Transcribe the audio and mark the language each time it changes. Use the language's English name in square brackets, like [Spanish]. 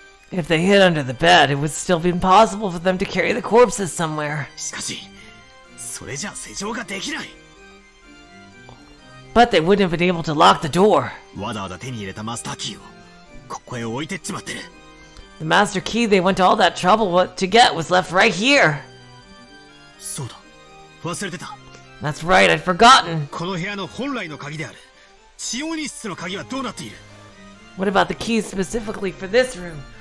[English] If they hid under the bed, it would still be impossible for them to carry the corpses somewhere. [Japanese] しかし、それじゃ施錠ができない。 [English] But they wouldn't have been able to lock the door. [Japanese] わざわざ手に入れたマスターキーをここへ置いてっちまってる。 [English] The master key they went to all that trouble to get was left right here. [Japanese] そうだ。 [English] That's right, I'd forgotten. What about the keys specifically for this room?